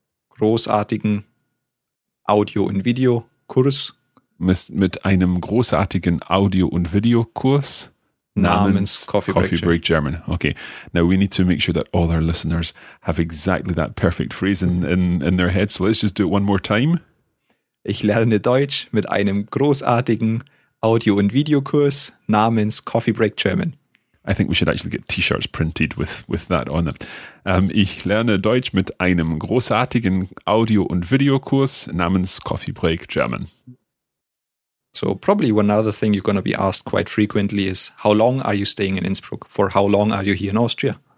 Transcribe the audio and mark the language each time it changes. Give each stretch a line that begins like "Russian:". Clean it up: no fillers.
German: großartigen Audio und Video Kurs. Mit einem großartigen Audio und Video Kurs. Namens Coffee Break German.
English: Okay. Now we need to make sure that all our listeners have exactly that perfect phrase in their head. So let's just do it one more time.
German: Ich lerne Deutsch mit einem großartigen Audio- und Videokurs namens Coffee Break German.
English: I think we should actually get T-shirts printed with that on them.
German: Ich lerne Deutsch mit einem großartigen Audio- und Videokurs namens Coffee Break German.
English: So probably one other thing you're going to be asked quite frequently is, how long are you staying in Innsbruck? For how long are you here in Austria?